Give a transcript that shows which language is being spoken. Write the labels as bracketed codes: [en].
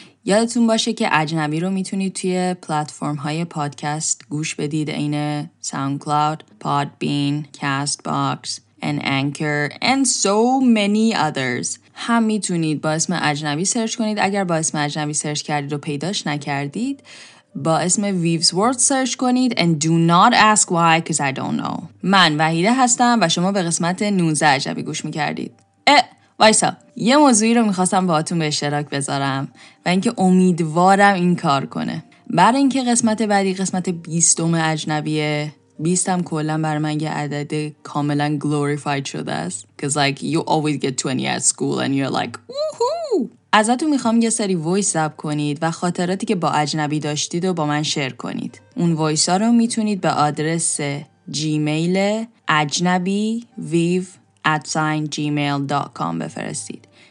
[fa] یادتون باشه که اجنبی رو میتونید توی پلتفرم های پادکست گوش بدید، عین ساوندکلاود، پادبین، کاست باکس، انکر و [en] so many others. [fa] هم میتونید با اسم اجنبی سرچ کنید. اگر با اسم اجنبی سرچ کردید و پیداش نکردید، با اسم Weaves World سرچ کنید. [en] And do not ask why, because I don't know. [fa] من وحیده هستم و شما به قسمت 19 اجنبی گوش میکردید. وایسا، یه موضوعی رو میخواستم با اتون به اشتراک بذارم و اینکه امیدوارم این کار کنه. برای اینکه قسمت بعدی قسمت 20 اجنبیه، 20 هم کلن بر من یه عدد کاملا glorified شده است. [en] Because like you always get 20 at school and you're like woohoo. [fa] ازتون میخوام یه سری وایس زب کنید و خاطراتی که با اجنبی داشتید و با من شیر کنید. اون وایس ها رو میتونید به آدرس جیمیل اجنبی ویو @gmail.com بفرستید.